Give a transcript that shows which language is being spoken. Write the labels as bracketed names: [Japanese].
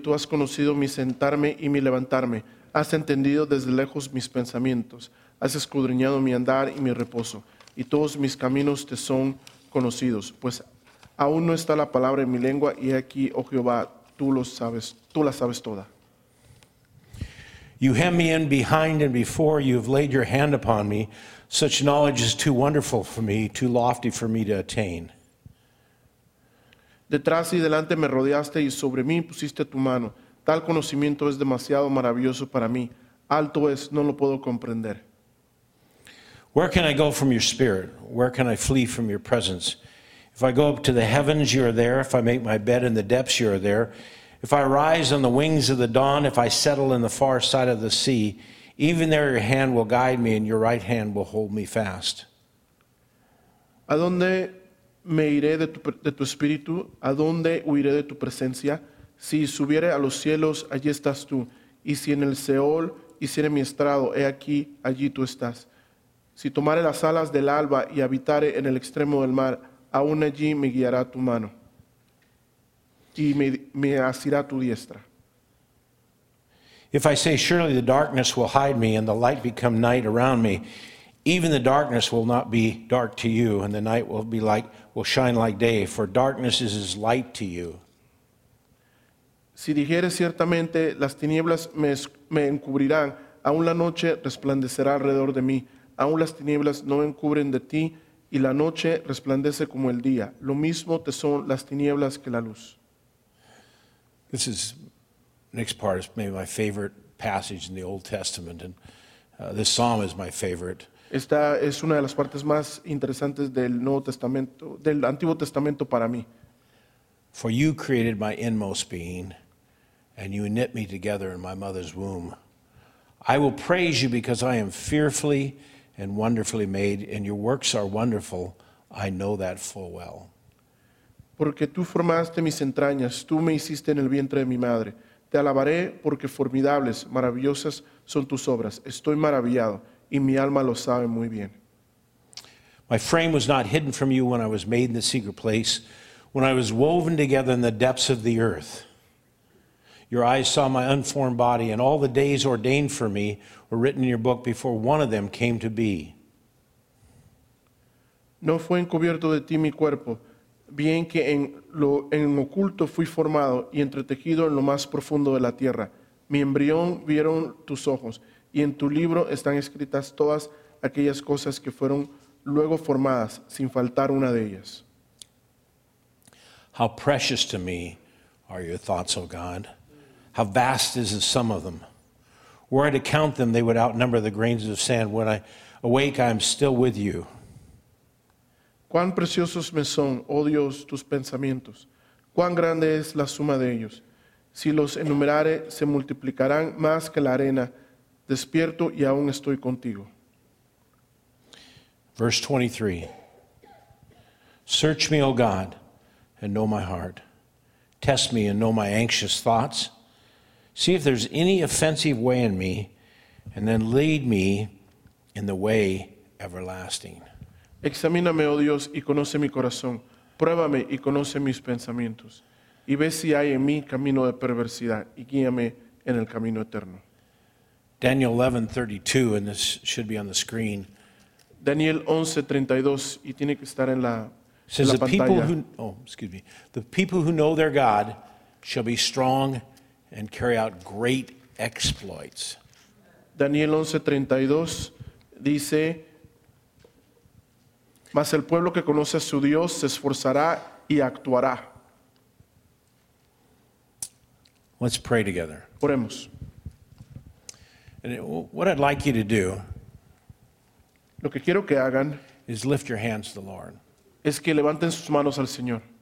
[Spanish] Tú has conocido mi sentarme y mi levantarme. Has entendido desde lejos mis pensamientos. Has escudriñado mi andar y mi reposo. Y todos mis caminos te son conocidos. Pues aún no está la palabra en mi lengua. Y aquí, oh Jehová, tú lo sabes. Tú la sabes toda. [English] You hem me in behind and before. You have laid your hand upon me. Such knowledge is too wonderful for me, too lofty for me to attain. [Spanish] Detrás y delante me rodeaste y sobre mí pusiste tu mano. Tal conocimiento es demasiado maravilloso para mí. Alto es, no lo puedo comprender. [English] Where can I go from your spirit? Where can I flee from your presence? If I go up to the heavens, you are there. If I make my bed in the depths, you are there. If I rise on the wings of the dawn, if I settle in the far side of the sea, even there your hand will guide me and your right hand will hold me fast. [Spanish] ¿A dónde me iré de tu espíritu? ¿A dónde huiré de tu presencia? Si subiere a los cielos, allí estás tú. Y si en el Seol hiciere mi estrado, he aquí, allí tú estás. Si tomare las alas del alba y habitare en el extremo del mar, aún allí me guiará tu mano y me asirá tu diestra. [English] If I say, surely the darkness will hide me and the light become night around me, even the darkness will not be dark to you, and the night will shine like day, for darkness is as light to you. [Spanish] Si dijere ciertamente, las tinieblas me encubrirán, aún la noche resplandecerá alrededor de mí, aún las tinieblas no encubren de ti, y la noche resplandece como el día, lo mismo te son las tinieblas que la luz. [English] This is, next part is maybe my favorite passage in the Old Testament, and this psalm is my favorite. [Spanish] Esta es una de las partes más interesantes del Nuevo Testamento, del Antiguo Testamento para mí. [English] For you created my inmost being, and you knit me together in my mother's womb. I will praise you because I am fearfully and wonderfully made, and your works are wonderful. I know that full well. [Spanish] Porque tú formaste mis entrañas, tú me hiciste en el vientre de mi madre. Te alabaré porque formidables, maravillosas son tus obras. Estoy maravillado. Y mi alma lo sabe muy bien. [English] My frame was not hidden from you when I was made in the secret place, when I was woven together in the depths of the earth. Your eyes saw my unformed body, and all the days ordained for me were written in your book before one of them came to be. [Spanish] No fue encubierto de ti mi cuerpo, bien que en oculto fui formado y entretejido en lo más profundo de la tierra. Mi embrión vieron tus ojos. Y en tu libro están escritas todas aquellas cosas que fueron luego formadas, sin faltar una de ellas. [English] How precious to me are your thoughts, O God? How vast is the sum of them? Were I to count them, they would outnumber the grains of sand. When I awake, I am still with you. [Spanish] Cuán preciosos me son, oh Dios, tus pensamientos. Cuán grande es la suma de ellos. Si los enumerare, se multiplicarán más que la arena. Despierto y aún estoy contigo. [English] Verse 23. Search me, O God, and know my heart. Test me and know my anxious thoughts. See if there's any offensive way in me, and then lead me in the way everlasting. [Spanish] Examíname, oh Dios, y conoce mi corazón. Pruébame y conoce mis pensamientos. Y ve si hay en mí camino de perversidad, y guíame en el camino eterno. [English] Daniel 11:32, and this should be on the screen. [Spanish] Daniel 11:32, y tiene que estar en la pantalla. [English] Says the people who, the people who know their God shall be strong and carry out great exploits. [Spanish] Daniel 11:32 dice, mas el pueblo que conoce a su Dios se esforzará y actuará. [English] Let's pray together. [Spanish] Oremos. [English] And what I'd like you to do, [Spanish] lo que quiero que hagan, [English] is lift your hands to the Lord. [Spanish] Es que levanten sus manos al Señor.